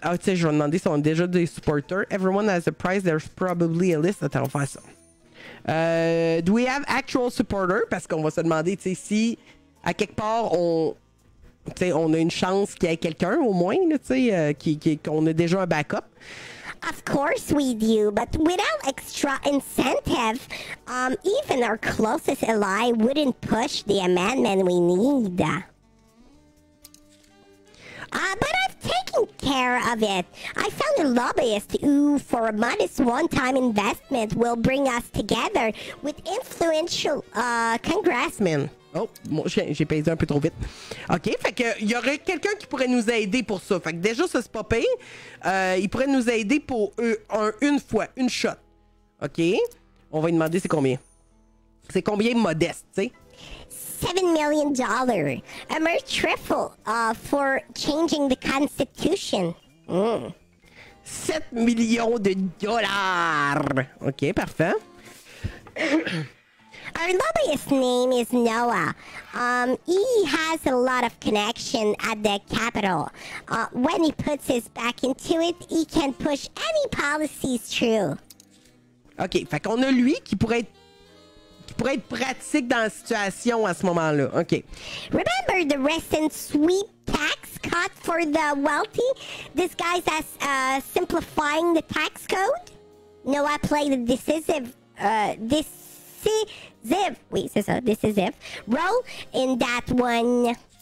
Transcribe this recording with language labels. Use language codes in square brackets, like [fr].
[fr] Oh, tu sais, je vais demander si on a déjà des supporters. [en] Everyone has a prize. There's probably a list. [fr] Attends, on va faire ça. [en] Do we have actual supporters? [fr] Parce qu'on va se demander, tu sais, si à quelque part, on... T'sais, on a une chance qu'il y ait quelqu'un au moins, là, t'sais, qu'on a déjà un backup. [en] Of course we do, but without extra incentive, even our closest ally wouldn't push the amendment we need. But I've taken care of it. I found a lobbyist who, for a modest one-time investment, will bring us together with influential congressmen. [fr] Oh, moi, j'ai payé un peu trop vite. OK, fait que il y aurait quelqu'un qui pourrait nous aider pour ça. Fait que déjà, ça, c'est pas payé. Il pourrait nous aider pour une fois, une shot. OK? On va lui demander c'est combien. C'est combien modeste, tu sais? [en] $7 million. A mere trifle for changing the Constitution. Mm. [fr] 7 millions de dollars! OK, parfait. [en] Our lobbyist name is Noah. He has a lot of connection at the Capitol. When he puts his back into it, he can push any policies through. [fr] OK, fait qu'on a lui qui pourrait être pratique dans la situation à ce moment-là. OK. [en] Remember the recent sweep tax cut for the wealthy? This guy's as simplifying the tax code? Noah played a decisive role in that one.